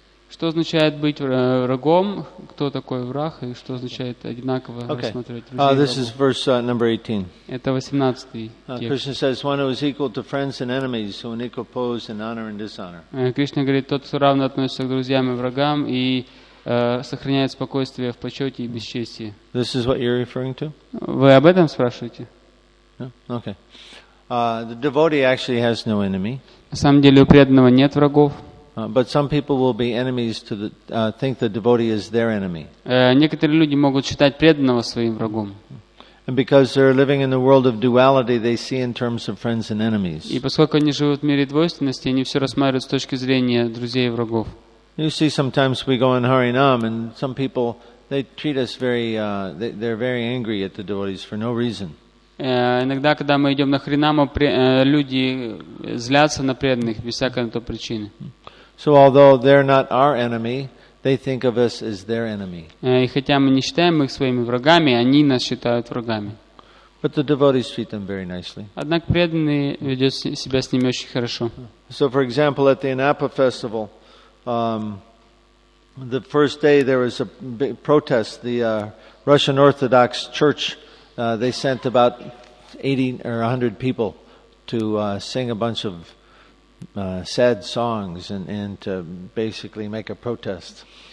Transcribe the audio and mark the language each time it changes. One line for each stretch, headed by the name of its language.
Russian: Что означает быть врагом? Кто такой враг? И что означает одинаково рассматривать друзей?
English: This is verse number 18.
Russian: Это 18-й текст.
English: Krishna says, one who is equal to friends and enemies, who in equal pose in honor and dishonor.
Russian: Кришна говорит, тот, кто равно относится к друзьям и врагам и сохраняет спокойствие в почете и бесчестии.
English: This is what you're referring to?
Russian: Вы об этом спрашиваете?
English: Yeah? Okay. The devotee actually has no enemy.
Russian: На самом деле у преданного нет врагов.
English: But some people will be enemies to the think the devotee is their enemy.
Russian: Некоторые люди могут считать преданного своим врагом.
English: And because they're living in the world of duality, they see in terms of friends and enemies.
Russian: И поскольку они живут в мире двойственности, они все рассматривают с точки зрения друзей и врагов.
English: You see, sometimes we go in Harinam, and some people they treat us very they're very angry at the devotees for no reason.
Russian: Иногда, когда мы идем на Харинаму, люди злятся на преданных без всякой на то причины.
English: So although they're not our enemy, they think of us as their enemy.
Russian: И хотя мы не считаем их своими врагами, они нас считают врагами.
English: But the devotees treat them very nicely.
Russian: Однако преданные ведут себя с ними очень хорошо.
English: So for example, at the Anapa festival, the first day there was a big protest. The Russian Orthodox Church, they sent about 80 or 100 people to sing a bunch of sad songs and to basically make a protest.